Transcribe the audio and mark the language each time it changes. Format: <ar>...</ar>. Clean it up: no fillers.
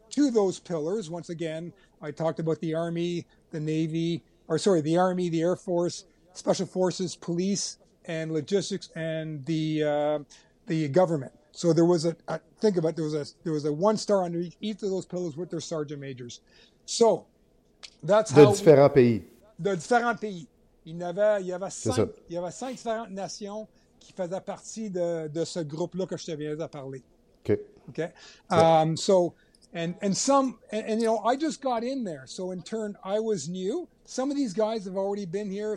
<en>to those pillars, once again, I talked about the Army, the Navy, or sorry, the Army, the Air Force, Special Forces, police, and logistics, and the government. So there was a, think about it, there was a one star under each of those pillars with their sergeant majors. So that's how...</en> <fr>De différents pays. Il y avait cinq différentes nations qui faisaient partie de ce groupe-là que je te viens de parler.</fr> <en>Okay. So, and some, you know, I just got in there. So in turn, I was new. Some of these guys have already been here.</en>